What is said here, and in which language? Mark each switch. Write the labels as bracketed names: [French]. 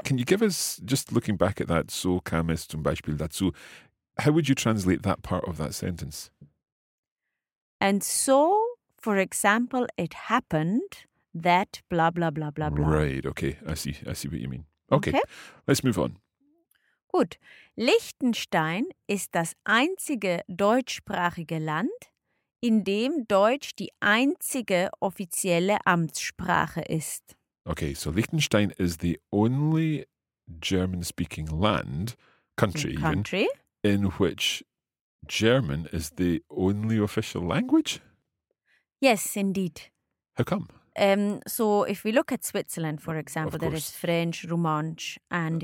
[English] Can you give us, just looking back at that, [German] so kam es zum Beispiel dazu, [English] how would you translate that part of that sentence? And so... For example, it happened that blah, blah, blah, blah, blah. Right, okay. I see what you mean. Okay. Okay, let's move on. [German] Gut. Liechtenstein ist das einzige deutschsprachige Land, in dem Deutsch die einzige offizielle Amtssprache ist. [English] Okay, so Liechtenstein is the only German-speaking land, country. In which German is the only official language? Yes, indeed. How come? So if we look at Switzerland, for example, there is French, Romansh and